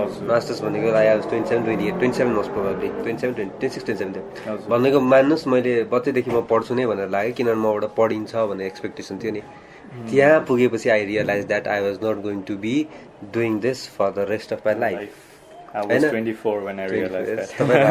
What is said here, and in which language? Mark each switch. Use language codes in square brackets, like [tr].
[ne] Masters भनेको [en] I has [ne] 27 28 27 होस् प्रोभाब्ली 27 26 27 भनेको मान्नुहोस् मैले बच्चैदेखि म पढ्छु नै भनेर लाग्यो, किनभने मबाट पढिन्छ भन्ने एक्सपेक्टेसन थियो नि. त्यहाँ पुगेपछि [en] I realize that I was not going to be doing this for the rest of my life. I was 24 when I realized that.